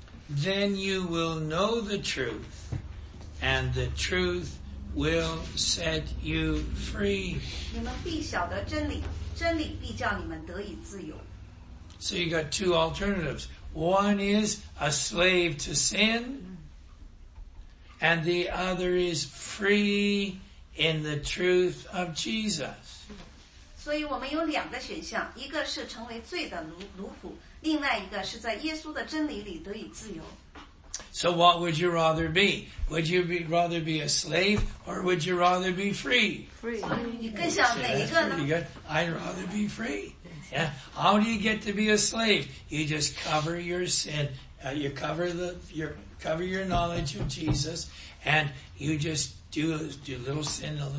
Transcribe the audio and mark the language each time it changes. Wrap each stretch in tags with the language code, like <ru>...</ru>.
<en>Then you will know the truth, and the truth will set you free.</en> <zh>你们必晓得真理,真理必叫你们得以自由。</zh> <en>So you got two alternatives. One is a slave to sin, and the other is free in the truth of Jesus.</en> <zh>所以我们有两个选项,一个是成为罪的奴仆,另外一个是在耶稣的真理里得以自由。</zh> <en>So what would you rather be? Would you be, rather be a slave, or would you rather be free? Free. Yeah, I'd rather be free. Yeah. How do you get to be a slave? You just cover your sin. You cover your knowledge of Jesus, and you just do a little sin.</en>